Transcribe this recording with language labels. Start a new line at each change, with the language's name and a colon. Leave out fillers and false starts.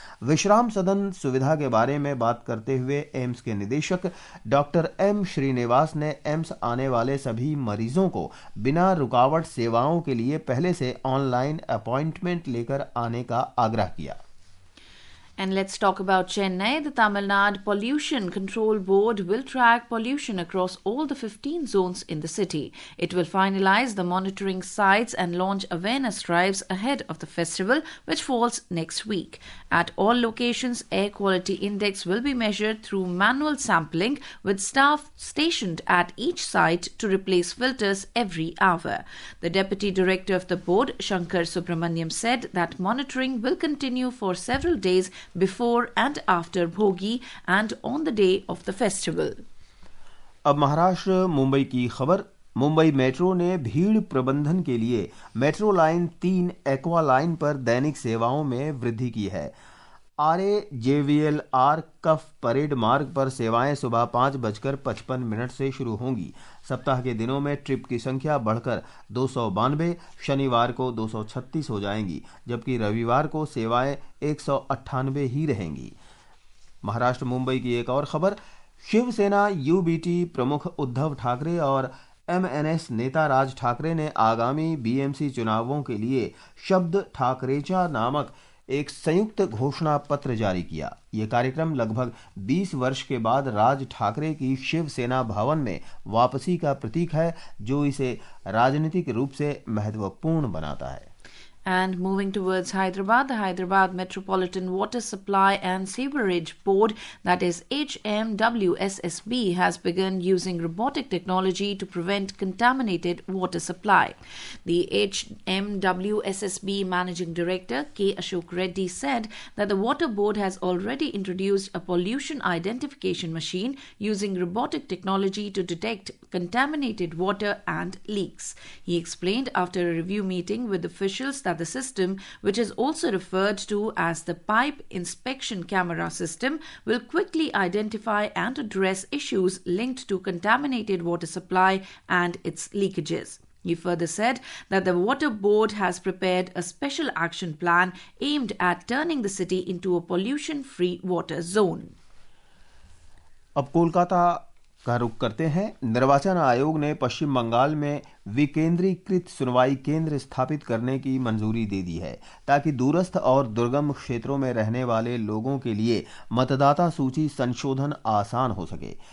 Hindi: विश्राम सदन सुविधा के बारे में बात करते हुए एम्स के निदेशक डॉक्टर एम श्रीनिवास ने एम्स आने वाले सभी मरीजों को बिना रुकावट सेवाओं के लिए पहले से ऑनलाइन अपॉइंटमेंट लेकर आने का आग्रह किया।
English: And let's talk about Chennai. The Tamil Nadu Pollution Control Board will track pollution across all the 15 zones in the city. It will finalize the monitoring sites and launch awareness drives ahead of the festival, which falls next week. At all locations, air quality index will be measured through manual sampling, with staff stationed at each site to replace filters every hour. The deputy director of the board, Shankar Subramaniam, said that monitoring will continue for several days before and after bhogi and on the day of the festival.
Hindi: Ab Maharashtra Mumbai ki khabar. Mumbai metro ने भीड़ प्रबंधन के लिए metro line 3 aqua line पर दैनिक सेवाओं में वृद्धि की है। आरए जेवीएलआर कफ परेड मार्ग पर सेवाएं सुबह 5:55 से शुरू होंगी। सप्ताह के दिनों में ट्रिप की संख्या बढ़कर 292, शनिवार को 236 हो जाएंगी, जबकि रविवार को सेवाएं 198 ही रहेंगी। महाराष्ट्र मुंबई की एक और खबर। शिवसेना यूबीटी प्रमुख उद्धव ठाकरे और एमएनएस नेता राज ठाकरे ने आगामी बीएमसी चुनावों के लिए शब्द ठाकरेचा नामक एक संयुक्त घोषणा पत्र जारी किया। ये कार्यक्रम लगभग 20 वर्ष के बाद राज ठाकरे की शिवसेना भवन में वापसी का प्रतीक है, जो इसे राजनीतिक रूप से महत्वपूर्ण बनाता है।
English: And moving towards Hyderabad, the Hyderabad Metropolitan Water Supply and Sewerage Board, that is HMWSSB, has begun using robotic technology to prevent contaminated water supply. The HMWSSB Managing Director K. Ashok Reddy said that the Water Board has already introduced a pollution identification machine using robotic technology to detect contaminated water and leaks. He explained after a review meeting with officials that the system, which is also referred to as the pipe inspection camera system, will quickly identify and address issues linked to contaminated water supply and its leakages. He further said that the Water Board has prepared a special action plan aimed at turning the city into a pollution-free water zone.
Hindi: अब कोलकाता का रुख करते हैं। निर्वाचन आयोग ने पश्चिम बंगाल में विकेंद्रीकृत सुनवाई केंद्र स्थापित करने की मंजूरी दे दी है, ताकि दूरस्थ और दुर्गम क्षेत्रों में रहने वाले लोगों के लिए मतदाता सूची संशोधन आसान हो सके।